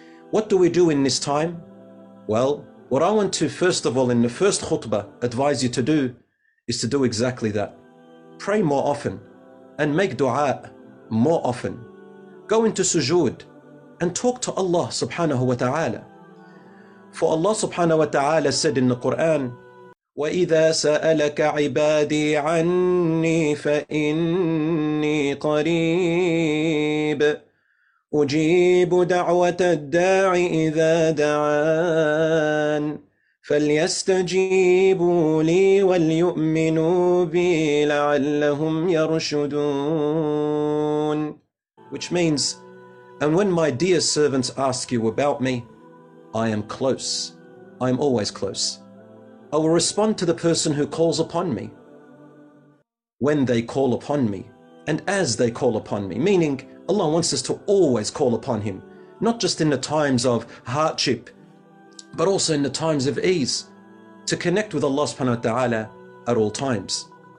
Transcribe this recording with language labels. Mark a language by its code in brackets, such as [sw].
[en] What do we do in this time? Well, what I want to, first of all, in the first khutbah, advise you to do, is to do exactly that. Pray more often and make dua more often. Go into sujood and talk to Allah subhanahu wa ta'ala. [ar] For Allah subhanahu wa ta'ala said in the Quran, وَإِذَا سَأَلَكَ عِبَادِي عَنِّي فَإِنِّي قَرِيبٌ أجيب دعوة الداعي إذا دعان فليستجيبوا لي وليؤمنوا بي لعلهم يرشدون. [en] Which means, and when my dear servants ask you about me, I am close. I am always close. I will respond to the person who calls upon me when they call upon me and as they call upon me, meaning Allah wants us to always call upon Him, not just in the times of hardship, but also in the times of ease, to connect with Allah subhanahu wa ta'ala at all times.